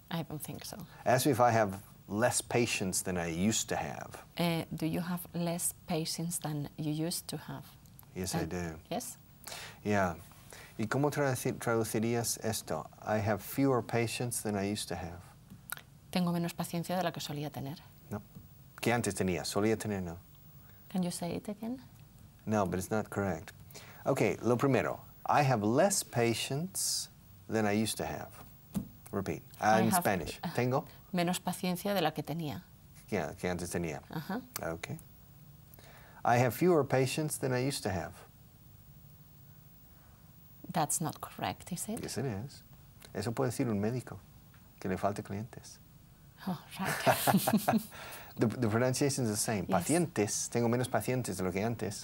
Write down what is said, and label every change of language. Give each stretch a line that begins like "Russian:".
English: I don't think so. Ask me if I have less patience than I used to have. Do you have less patience than you used to have? Yes, I do. Yes?
Spanish: Yeah. ¿Y cómo traducirías esto?
English: I have fewer patience than I used to have.
Spanish: Tengo menos paciencia de la que solía tener. No. Que antes tenía. Solía tener, no.
English: Can you say it again? No, but it's not correct. Okay,
Spanish: lo primero.
English: I have less patience than I used to have. Repeat. In Spanish.
Spanish: Tengo. Menos paciencia de la que tenía. Yeah, que antes tenía. Uh-huh.
English: Okay. I have fewer patience than I used to have. That's not correct, is it? Yes, it is.
Spanish: Eso puede decir un médico, que le falta clientes.
English: Oh, right. the pronunciation is the same. Yes.
Spanish: Pacientes, tengo menos pacientes de lo que antes.